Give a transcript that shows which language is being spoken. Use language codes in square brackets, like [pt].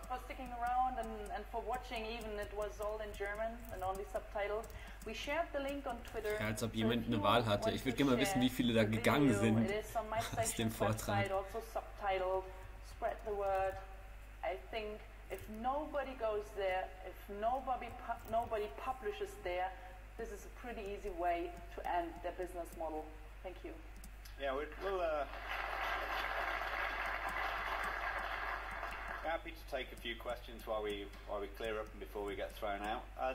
[en] For sticking around and for watching, even it was all in German and only subtitled. We shared the link on Twitter. [de] Ja, als ob jemand eine Wahl hatte. Ich würde gerne mal wissen, wie viele da gegangen sind aus dem Vortrag. [en] Also subtitled. Spread the word. I think if nobody goes there, if nobody publishes there, this is a pretty easy way to end their business model. Thank you. Yeah, we'll happy to take a few questions while we clear up and before we get thrown out.